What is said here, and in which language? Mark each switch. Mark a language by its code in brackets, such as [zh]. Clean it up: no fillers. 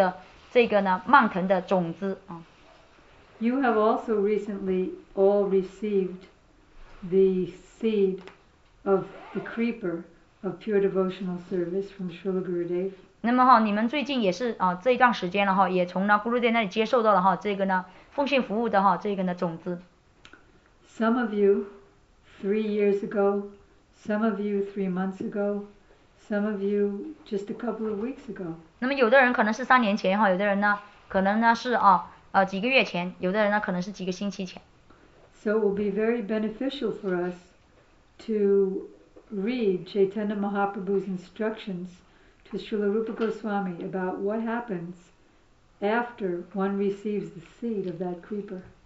[zh] 那么他们能够遇到一个呢，接触到一个呢纯正无为的灵性导师，也及着Krishna以及这样一位古鲁的仁慈的话呢，他得到了奉爱服务的这个呢蔓藤的种子。 [en] You have also recently all received the seed of the creeper of pure devotional service from Srila Gurudev. [zh] 那么你们最近也是这一段时间了，也从Gurudev那里接受到了这个呢奉献服务的这个呢种子。 [en] Some of you 3 years ago, some of you 3 months ago, some of you just a couple of weeks ago. [zh] 那么有的人可能是3年前，有的人呢可能呢是。几个月前，有的人呢可能是几个星期前。 [en] So it will be very beneficial for us to read Chaitanya Mahaprabhu's instructions to Srila Rupa Goswami about what happens after one receives the seed of that creeper.